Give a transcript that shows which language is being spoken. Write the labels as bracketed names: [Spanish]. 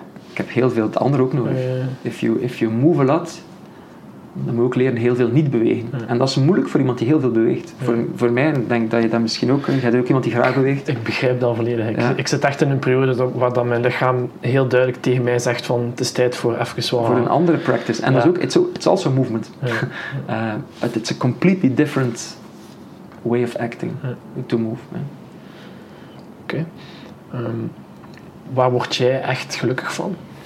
[Dutch] Ik heb heel veel het andere ook nodig. [English] If you move a lot, [Dutch] dan moet je ook leren heel veel niet bewegen. Ja. En dat is moeilijk voor iemand die heel veel beweegt. Ja. Voor mij denk ik dat je dat misschien ook... Jij bent ook iemand die graag beweegt. Ik begrijp dat volledig. Ja. Ik zit echt in een periode waar dat mijn lichaam heel duidelijk tegen mij zegt van het is tijd voor even zwaar. Voor een andere practice. En ja. Dat is ook... [English] It's also a movement. [Dutch] Ja. [English] But it's a completely different way of acting. Ja. To move. [Dutch] Oké. Waar word jij echt gelukkig van?